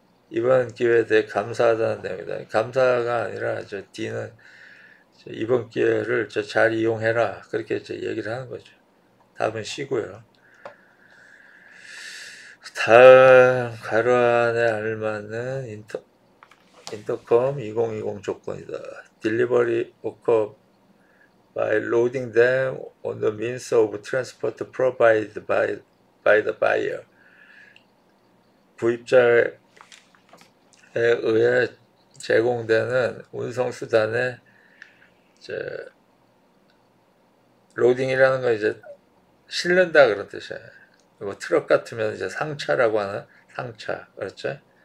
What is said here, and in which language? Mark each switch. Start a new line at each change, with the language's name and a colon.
Korean: 이번 기회에 대해 감사하다는 내용이다. 감사가 아니라 D는 이번 기회를 잘 이용해라. 그렇게 얘기를 하는 거죠. 답은 C고요. 다음 괄호 안에 알맞은 인터컴 2020 조건이다.
English: Delivery occur by loading them on the means of transport provided by the buyer.
Korean: 구입자에 의해 제공되는 운송수단의 로딩이라는 건 이제 실는다 그런 뜻이야. 그리고 트럭 같으면 이제 상차라고 하는 상차, 그렇죠?